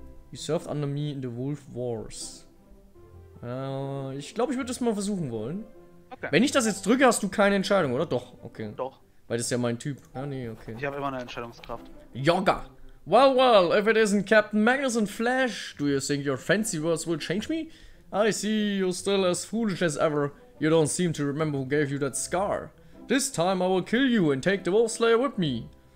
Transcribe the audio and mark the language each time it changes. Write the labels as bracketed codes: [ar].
[en] He served under me in the Wolf Wars. [de] Ich glaube, ich würde das mal versuchen wollen. Okay. Wenn ich das jetzt drücke, hast du keine Entscheidung, oder? Doch, okay. Doch. Weil das ist ja mein Typ. Ah, nee, okay. Ich habe immer eine Entscheidungskraft. Yoga! [en] Well, well, if it isn't Captain Magnus and Flash, do you think your fancy words will change me? I see you're still as foolish as ever. You don't seem to remember who gave you that scar. This time I will kill you and take the Wolf Slayer with me.